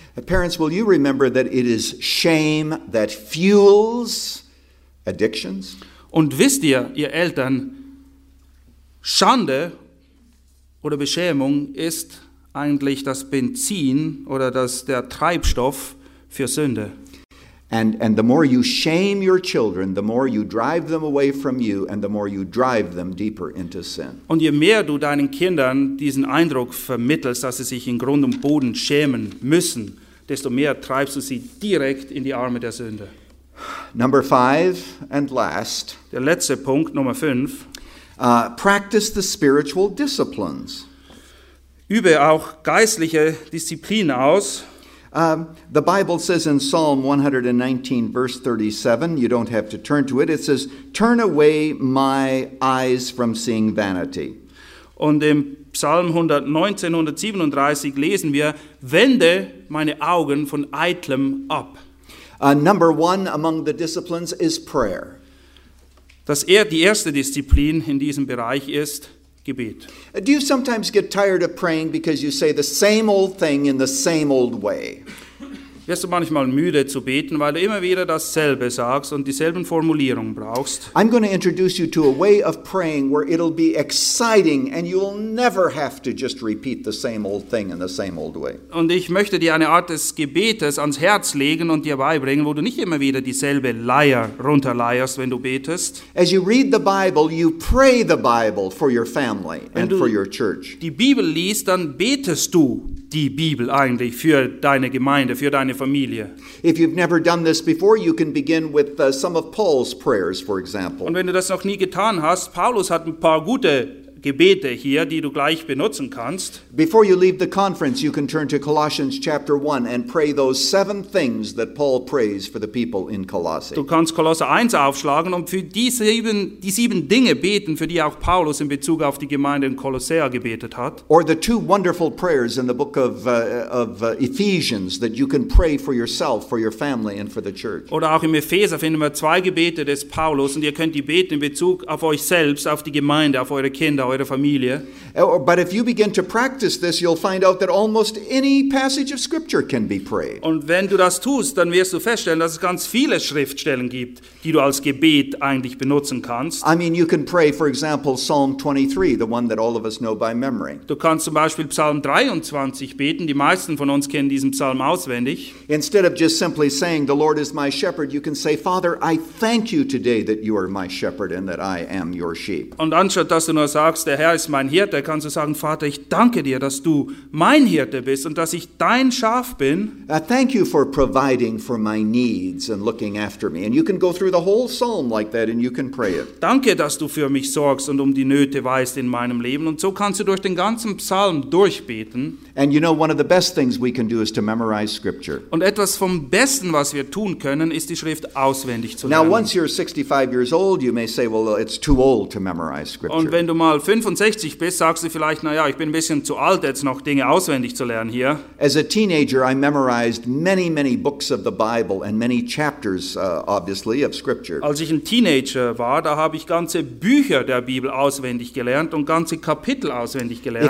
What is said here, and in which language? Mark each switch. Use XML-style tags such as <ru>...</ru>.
<en>Parents, will you remember that it is shame that fuels addictions?</en> <de>Und wisst ihr, ihr Eltern, Schande oder Beschämung ist eigentlich das Benzin oder das der Treibstoff für Sünde.</de> <en>And the more you shame your children, the more you drive them away from you and the more you drive them deeper into sin.</en> <de>Und je mehr du deinen Kindern diesen Eindruck vermittelst, dass sie sich in Grund und Boden schämen müssen, desto mehr treibst du sie direkt in die Arme der Sünde.</de> <en>Number five and last.</en> <de>Der letzte Punkt, Nummer 5.</de> <en>Practice the spiritual disciplines.</en> <de>Übe auch geistliche Disziplin aus.</de> <en>The Bible says in Psalm 119, verse 37, you don't have to turn to it, it says, "Turn away my eyes from seeing vanity."</en> <de>Und im Psalm 119, 137 lesen wir, wende meine Augen von Eitlem ab.</de> <en>Number one among the disciplines is prayer.</en> <de>Die erste Disziplin in diesem Bereich ist Gebet.</de> <en>Do you sometimes get tired of praying because you say the same old thing in the same old way?</en> <de>Wirst du manchmal müde zu beten, weil du immer wieder dasselbe sagst und dieselben Formulierungen brauchst?</de> <en>I'm going to introduce you to a way of praying where it'll be exciting and you'll never have to just repeat the same old thing in the same old way.</en> <de>Und ich möchte dir eine Art des Gebetes ans Herz legen und dir beibringen, wo du nicht immer wieder dieselbe Leier runterleierst, wenn du betest.</de> <en>As you read the Bible, you pray the Bible for your family and for your church.</en> <de>Wenn du die Bibel liest, dann betest du die Bibel eigentlich für deine Gemeinde, für deine Familie.</de> <en>If you've never done this before, you can begin with some of Paul's prayers, for example.</en> <de>Und wenn du das noch nie getan hast, Paulus hat ein paar gute Gebete hier, die du gleich benutzen kannst.</de> <en>Before you leave the conference, you can turn to Colossians chapter 1 and pray those 7 things that Paul prays for the people in Colossae.</en> <de>Du kannst Kolosser 1 aufschlagen und für die sieben Dinge beten, für die auch Paulus in Bezug auf die Gemeinde in Kolossea gebetet hat.</de> <en>Or the 2 wonderful prayers in the book of Ephesians that you can pray for yourself, for your family and for the church.</en> <de>Oder auch im Epheser finden wir 2 Gebete des Paulus und ihr könnt die beten in Bezug auf euch selbst, auf die Gemeinde, auf eure Kinder, eurer Familie.</de> <en>But if you begin to practice this, you'll find out that almost any passage of Scripture can be prayed.</en> <de>Und wenn du das tust, dann wirst du feststellen, dass es ganz viele Schriftstellen gibt, die du als Gebet eigentlich benutzen kannst.</de> <en>I mean, you can pray, for example, Psalm 23, the one that all of us know by memory.</en> <de>Du kannst zum Beispiel Psalm 23 beten. Die meisten von uns kennen diesen Psalm auswendig.</de> <en>Instead of just simply saying, "The Lord is my shepherd," you can say, "Father, I thank you today that you are my shepherd and that I am your sheep."</en> <de>Und anstatt dass du nur sagst, der Herr ist mein Hirte, da kannst du sagen, Vater, ich danke dir, dass du mein Hirte bist und dass ich dein Schaf bin.</de> <en>Thank you for providing for my needs and looking after me. And you can go through the whole psalm like that and you can pray it.</en> <de>Danke, dass du für mich sorgst und um die Nöte weißt in meinem Leben. Und so kannst du durch den ganzen Psalm durchbeten.</de> <en>And you know, one of the best things we can do is to memorize Scripture.</en> <de>Und etwas vom Besten, was wir tun können, ist die Schrift auswendig zu lernen.</de> <en>Now, once you're 65 years old, you may say, well, it's too old to memorize Scripture.</en> <de>Und wenn du mal 65 bist, sagst du vielleicht, naja, ich bin ein bisschen zu alt, jetzt noch Dinge auswendig zu lernen hier.</de> <en>As a teenager, I memorized many, many books of the Bible and many chapters, obviously, of Scripture.</en> <de>Als ich ein Teenager war, da habe ich ganze Bücher der Bibel auswendig gelernt und ganze Kapitel auswendig gelernt.</de>